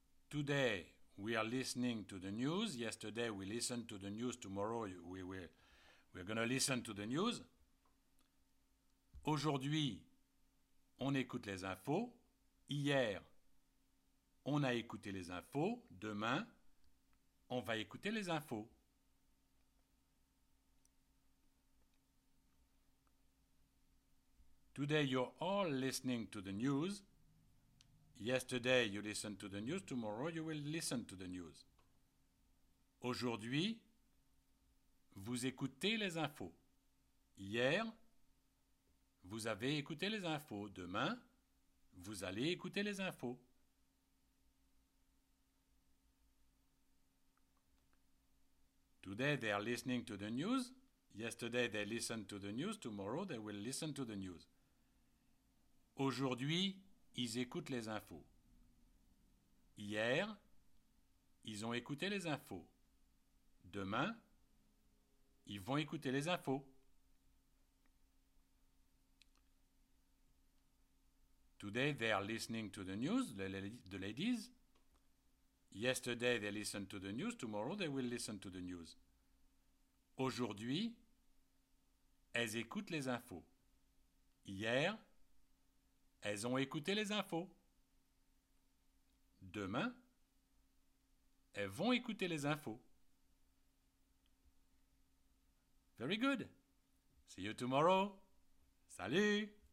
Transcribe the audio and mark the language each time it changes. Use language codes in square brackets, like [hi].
[en] Today, we are listening to the news. Yesterday, we listened to the news. Tomorrow, we're going to listen to the news. [fr] Aujourd'hui, on écoute les infos. Hier, on a écouté les infos. Demain, on va écouter les infos. [en] Today, you're all listening to the news. Yesterday, you listened to the news. Tomorrow, you will listen to the news. [fr] Aujourd'hui, vous écoutez les infos. Hier, vous avez écouté les infos. Demain, vous allez écouter les infos. [en] Today, they are listening to the news. Yesterday, they listened to the news. Tomorrow, they will listen to the news. [fr] Aujourd'hui, ils écoutent les infos. Hier, ils ont écouté les infos. Demain, ils vont écouter les infos. [en] Today, they are listening to the news, the ladies. Yesterday, they listened to the news. Tomorrow, they will listen to the news. [fr] Aujourd'hui, elles écoutent les infos. Hier, elles ont écouté les infos. Demain, elles vont écouter les infos. [en] Very good. See you tomorrow. Salut!